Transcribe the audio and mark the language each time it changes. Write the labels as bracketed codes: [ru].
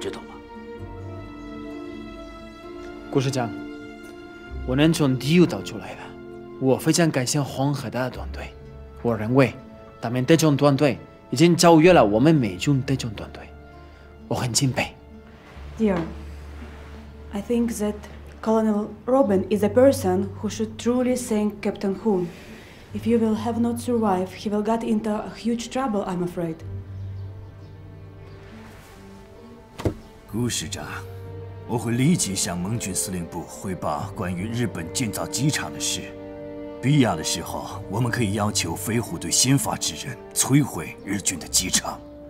[zh] 知道吗，顾师长？我能从地狱岛出来的，我非常感谢黄河大团队。我认为，他们这种团队已经超越了我们美军这种团队，我很敬佩。 [en] Dear, I think that Colonel Robin is a person who should truly thank Captain Hoon. If you will have not survived, he will get into a huge trouble, I'm afraid. [zh] 顾师长，我会立即向盟军司令部汇报关于日本建造机场的事。必要的时候，我们可以要求飞虎队先发制人，摧毁日军的机场。